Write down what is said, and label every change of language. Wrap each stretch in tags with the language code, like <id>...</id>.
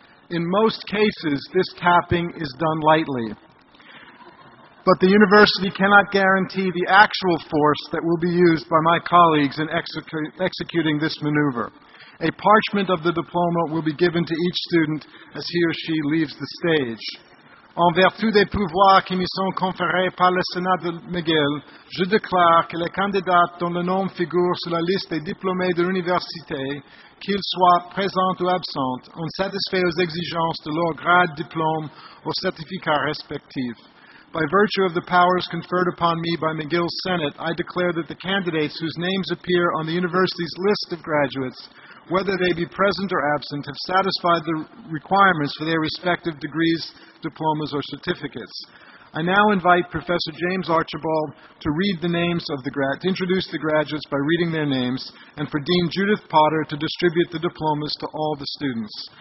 <en>In most cases, this tapping is done lightly. But the university cannot guarantee the actual force that will be used by my colleagues in executing this maneuver. A parchment of the diploma will be given to each student as he or she leaves the stage.</en> <fr>En vertu des pouvoirs qui me sont conférés par le Sénat de McGill, je déclare que les candidats dont le nom figure sur la liste des diplômés de l'université, qu'ils soient présents ou absents, ont satisfait aux exigences de leur grade, diplôme ou certificat respectif.</fr> <en>By virtue of the powers conferred upon me by McGill's Senate, I declare that the candidates whose names appear on the university's list of graduates, whether they be present or absent, have satisfied the requirements for their respective degrees, diplomas, or certificates. I now invite Professor James Archibald to read the names of the to introduce the graduates by reading their names, and for Dean Judith Potter to distribute the diplomas to all the students.</en>